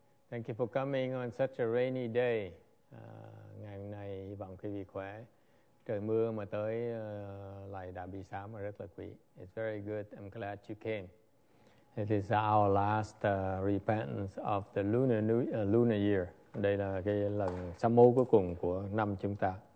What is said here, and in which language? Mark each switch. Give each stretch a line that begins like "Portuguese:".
English: Thank you for coming on such a rainy day.
Vietnamese: Ngày hôm nay hy vọng quý vị khỏe. Trời mưa mà tới lại đã bị sám rất là quý.
English: It's very good. I'm glad you came. It is our last repentance of the lunar year.
Vietnamese: Đây là cái lần sám hối cuối cùng của năm chúng ta.